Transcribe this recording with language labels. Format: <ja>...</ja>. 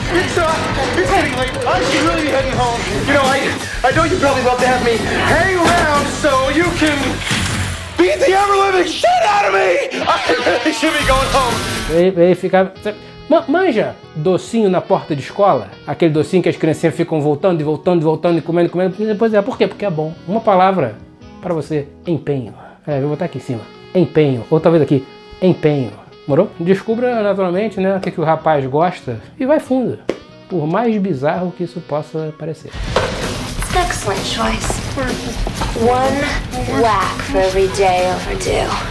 <en>It's getting late. I should really be heading home. You know, I know you probably love to have me hang around so you can beat the ever-living shit out of me! I really should be going home.</en> <pt>Ele fica... manja docinho na porta de escola? Aquele docinho que as criancinhas ficam voltando e voltando e voltando e comendo e comendo. Pois é, por quê? Porque é bom. Uma palavra pra você. Empenho. É, eu vou botar aqui em cima. Empenho. Ou talvez aqui. Empenho. Morou? Descubra naturalmente, né, o que, que o rapaz gosta e vai fundo. Por mais bizarro que isso possa parecer.</pt> <en>Excellent choice. One whack for every day overdue.</en>